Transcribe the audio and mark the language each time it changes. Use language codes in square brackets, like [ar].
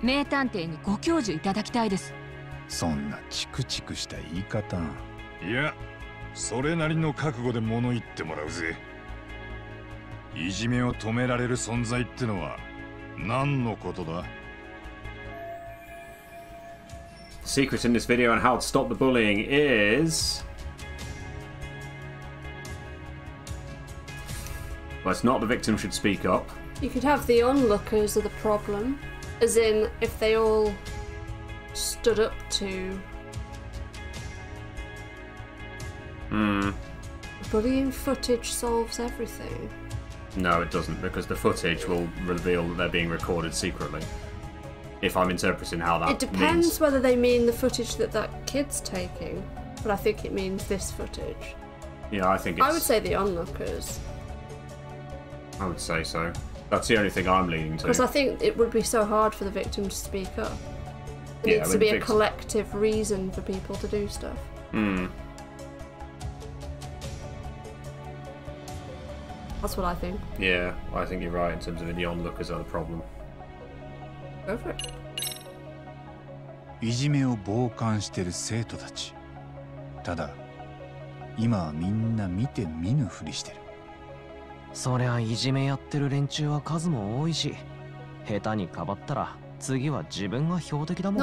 [ja] 名探偵にご教授いただきたいです。そんなチクチクした言い方。いや、それなりの覚悟で物言ってもらうぜ。いじめを止められる存在ってのは何のことだ？ [en] The secret in this video on how to stop the bullying is... Well, it's not the victim should speak up. You could have the onlookers are the problem. As in, if they all stood up to... Bullying footage solves everything. No, it doesn't, because the footage will reveal that they're being recorded secretly. If I'm interpreting how that means... It depends means. Whether they mean the footage that that kid's taking, but I think it means this footage. Yeah, I think it's... I would say the onlookers. I would say so. That's the only thing I'm leaning to. Because I think it would be so hard for the victim to speak up. It needs to be a collective reason for people to do stuff. That's what I think. Yeah, I think you're right in terms of the onlookers are the problem. Go for it. [ja] いじめを傍観してる生徒たち。ただ、今はみんな見て見ぬふりしてる。そりゃいじめやってる連中は数も多いし下手にかばったら次は自分が標的だもん